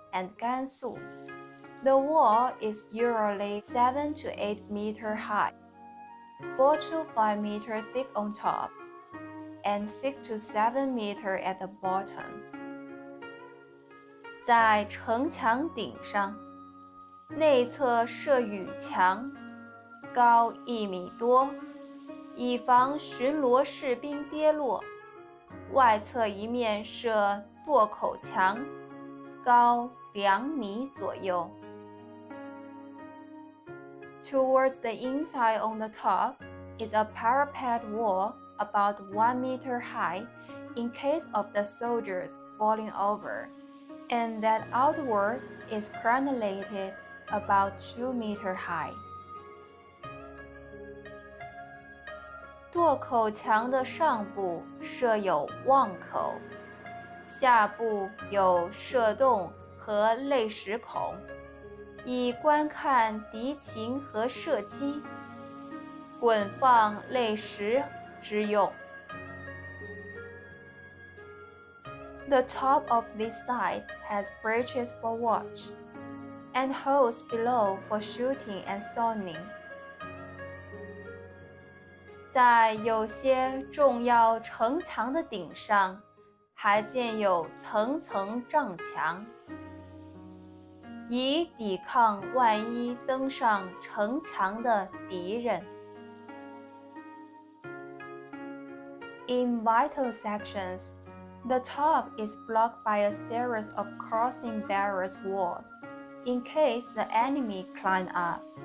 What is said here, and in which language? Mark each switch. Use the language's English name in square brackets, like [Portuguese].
[English] And Gansu, the wall is usually 7 to 8 meters high, 4 to 5 meters thick on top, and 6 to 7 meters at the bottom. [Chinese] 在城墙顶上，内侧设雨墙，高1米多，以防巡逻士兵跌落；外侧一面设垛口墙，高2米左右。 [English] Towards the inside on the top is a parapet wall about 1 meter high in case of the soldiers falling over, and that outward is crenellated about 2 meter high. [Chinese] 垛口墙的上部设有望口，下部有射洞和泪石孔，以观看敌情和射击，滚放泪石之用。 [English] The top of this side has breaches for watch, and holes below for shooting and stoning. [Chinese] 在有些重要城墙的顶上，还建有层层障墙。以抵抗万一登上城墙的敌人。 [English] In vital sections, the top is blocked by a series of crossing barriers walls in case the enemy climb up.